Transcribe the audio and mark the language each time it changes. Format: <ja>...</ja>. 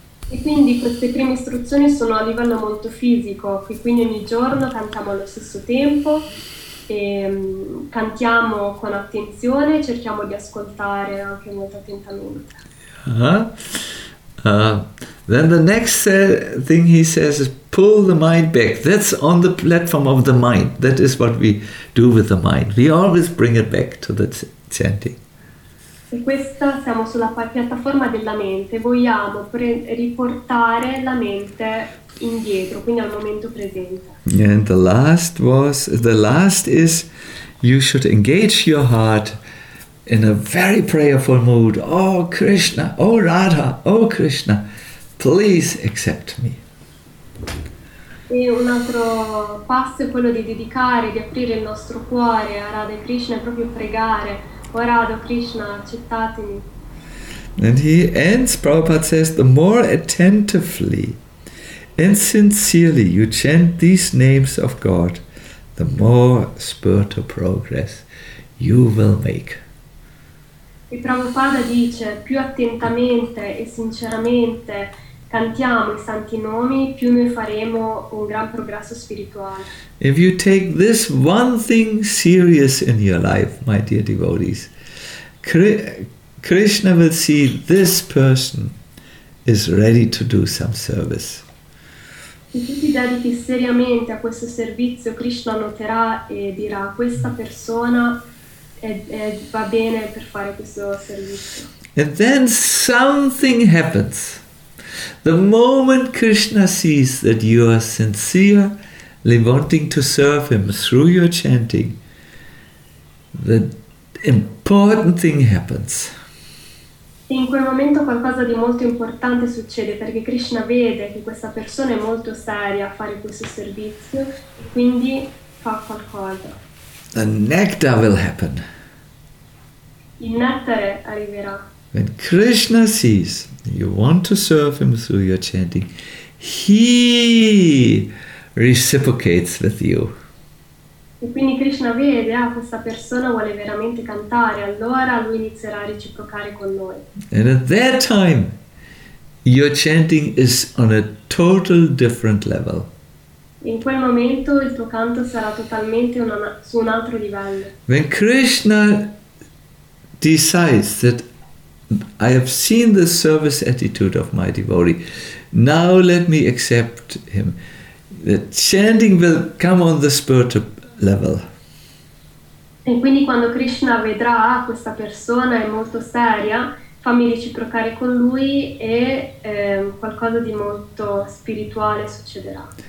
<it>E quindi queste prime istruzioni sono a livello molto fisico, che quindi ogni giorno cantiamo allo stesso tempo, e cantiamo con attenzione, cerchiamo di ascoltare anche molto attentamente.</it> <en>Then the next thing he says is pull the mind back. That's on the platform of the mind. That is what we do with the mind. We always bring it back to the chanting.</en> <it>E questa siamo sulla piattaforma della mente. Vogliamo riportare la mente indietro, quindi al momento presente.</it> <en>And the last is you should engage your heart in a very prayerful mood. Oh Krishna, oh Radha, oh Krishna, please accept me.</en> <it>E un altro passo è quello di dedicare, di aprire il nostro cuore a Radha e Krishna, proprio pregare. Oh Radha, Krishna, accettatemi.</it> <en>And he ends, Prabhupada says, the more attentively and sincerely you chant these names of God, the more spiritual progress you will make.</en> <it>E Prabhupada dice, più attentamente e sinceramente cantiamo i santi nomi, più noi faremo un gran progresso spirituale.</it> <en>If you take this one thing serious in your life, my dear devotees, Krishna will see this person is ready to do some service.</en> <it>Se tu ti dedichi seriamente a questo servizio, Krishna noterà e dirà, questa persona è va bene per fare questo servizio.</it> <en>And then something happens. The moment Krishna sees that you are sincerely wanting to serve him through your chanting, the important thing happens.</en> <it>In quel momento qualcosa di molto importante succede, perché Krishna vede che questa persona è molto seria a fare questo servizio e quindi fa qualcosa.</it> <en>The nectar will happen.</en> <it>Il nettare arriverà.</it> <en>When Krishna sees you want to serve him through your chanting, he reciprocates with you.</en> <it>E quindi Krishna vede, ah, questa persona vuole veramente cantare, allora lui inizierà a reciprocare con noi.</it> <en>And at that time, your chanting is on a total different level.</en> <it>In quel momento il tuo canto sarà totalmente su un altro livello.</it> <en>When Krishna decides that I have seen the service attitude of my devotee, now let me accept him, the chanting will come on the spiritual level.</en> <it>E quindi quando Krishna vedrà questa persona è molto seria, fammi reciprocare con lui e qualcosa di molto spirituale succederà.</it>